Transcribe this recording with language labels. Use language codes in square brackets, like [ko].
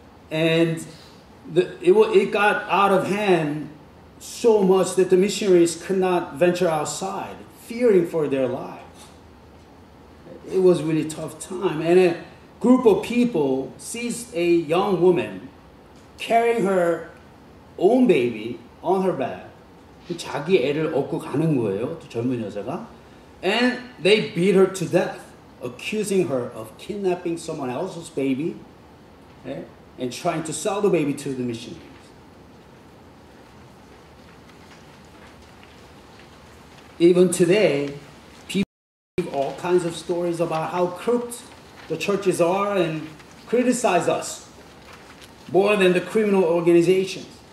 [en] And it got out of hand so much that the missionaries could not venture outside, fearing for their lives. It was a really tough time. And a group of people sees a young woman carrying her own baby on her back. [ko] 자기 애를 업고 가는 거예요, 젊은 여자가. [en] And they beat her to death, accusing her of kidnapping someone else's baby, okay, and trying to sell the baby to the missionaries. Even today, all kinds of stories about how crooked the churches are and criticize us more than the criminal organizations.